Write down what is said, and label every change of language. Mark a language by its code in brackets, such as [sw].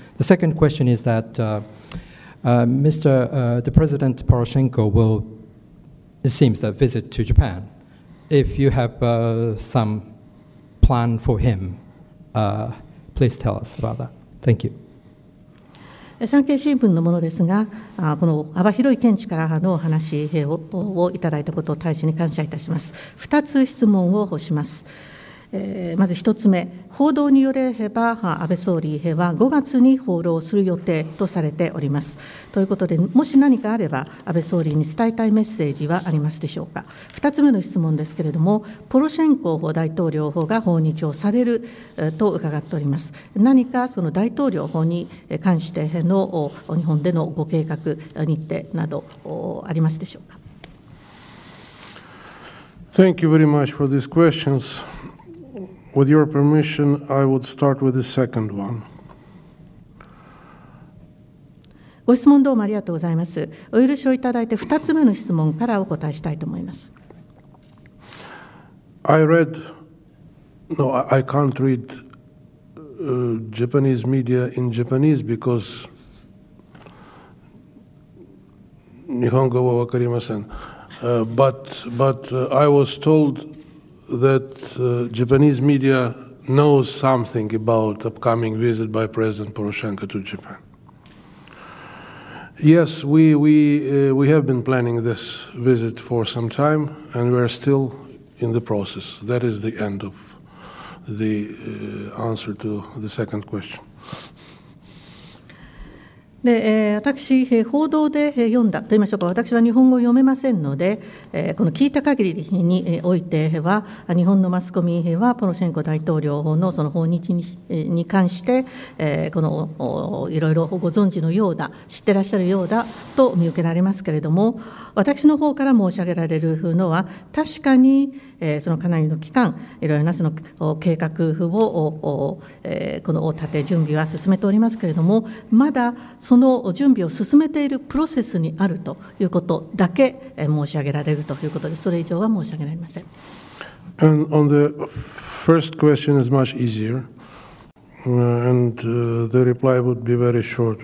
[en] The second question is that the President Poroshenko will, it seems, that visit to Japan. If you have some plan for him, please tell us about that. Thank you. [ja] 産経新聞のものですが、この幅広い見地からのお話をいただいたことを大使に感謝いたします。2つ質問をします。まず一つ目、報道によれば安倍総理は5月に訪ロする予定とされております。ということで、もし何かあれば安倍総理に伝えたいメッセージはありますでしょうか。二つ目の質問ですけれども、ポロシェンコ大統領法が訪日をされると伺っております。何かその大統領法に関しての日本でのご計画日程などありますでしょうか。 [en] Thank you very much for these questions. With your permission, I would start with the second one. [ja] ご質問どうもありがとうございます。お許しをいただいて2つ目の質問からお答えしたいと思います。 [en] I can't read、Japanese media in Japanese because [ja] 日本語は分かりません。 [en] But I was told that、Japanese media knows something about upcoming visit by President Poroshenko to Japan. Yes, we have been planning this visit for some time, and we are still in the process. That is the end of the、answer to the second question. [ja] で私、報道で読んだと言いましょうか、私は日本語を読めませんので、この聞いた限りにおいては、日本のマスコミは、ポロシェンコ大統領のその訪日 に関して、このいろいろご存知のようだ、知ってらっしゃるようだと見受けられますけれども、私の方から申し上げられるのは、確かに、そのかなりの期間、いろいろなその計画を、この立て、準備は進めておりますけれども、まだその準備を進めているプロセスにあるということだけ申し上げられるということで、それ以上は申し上げられません。 [en] And on the first question is much easier, and the reply would be very short.